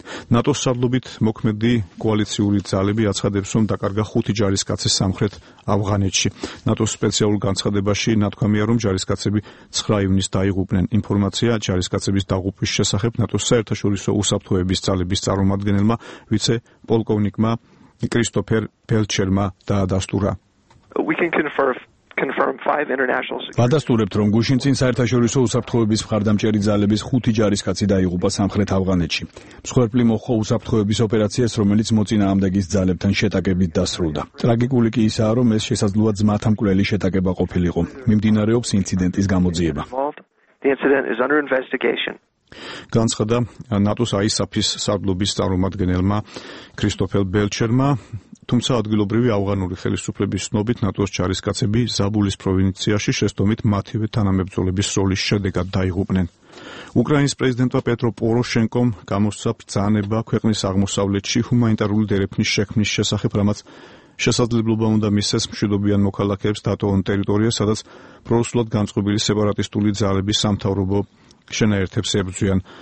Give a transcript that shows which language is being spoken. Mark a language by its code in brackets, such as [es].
[ka] ნატოს სარდლობით მოქმედი კოალიციური ძალები აცხადებს, რომ დაკარგა 5 ჯარისკაცი სამხრეთ ავღანეთში. ნატოს სპეციალურ განცხადებაში ნათქვამია, რომ ჯარისკაცები 9 ივნისს დაიღუპნენ. ინფორმაცია ჯარისკაცების დაღუპვის შესახებ ნატოს საერთაშორისო უსაფრთხოების ძალების წარმომადგენელმა ვიცე პოლკოვნიკმა კრისტოფერ ფელჩერმა დაადასტურა. [en] We can confirm 5 international security. [ka] Ვადასტურებთ, რომ გუშინწინ საერთაშორისო უსაფრთხოების მხარდამჭერი ძალების 5 ჯარისკაცი დაიღუპა სამხრეთ ავღანეთში. მსხვერპლი მოხო უსაფრთხოების ოპერაციას, რომელიც მოწინააღმდეგის ძალებთან შეტაკებით დასრულდა. ტრაგიკული კი ისაა, რომ ეს შესაძლოა ძმათა მკვლელი შეტაკება ყოფილიყო. მიმდინარეობს ინციდენტის გამოძიება. [en] The incident is under investigation. [ka] განცხადა ნატოს აისაფის სარდლობის წარმომადგენელმა კრისტოფელ ბელჩერმა. თუმცა ადგილობრივი ავღანური ხელისუფლების ცნობით ნატოს ჯარისკაცები ზაბულის პროვინციაში შეცდომით მათივე თანამებრძოლების სროლის შედეგად დაიღუპნენ. უკრაინის პრეზიდენტმა პეტრო პოროშენკომ გამოსცა ბრძანება ქვეყნის აღმოსავლეთში ჰუმანიტარული დერეფნის შექმნის შესახებ, რამაც შესაძლებლობა უნდა მისცეს მშვიდობიან მოქალაქეებს დატოვონ ტერიტორია, სადაც პრორუსულად განწყობილი სეპარატისტული ძალების სამთავრობო შენაერთებს ებრძვიან.